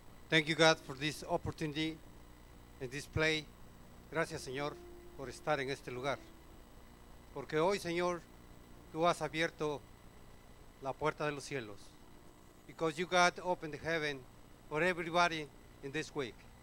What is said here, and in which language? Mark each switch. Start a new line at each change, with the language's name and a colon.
English: Thank you, God, for this opportunity and this play.
Spanish: Gracias, Señor, por estar en este lugar. Porque hoy, Señor, tú has abierto la puerta de los cielos.
English: Because you, God, opened heaven for everybody in this week.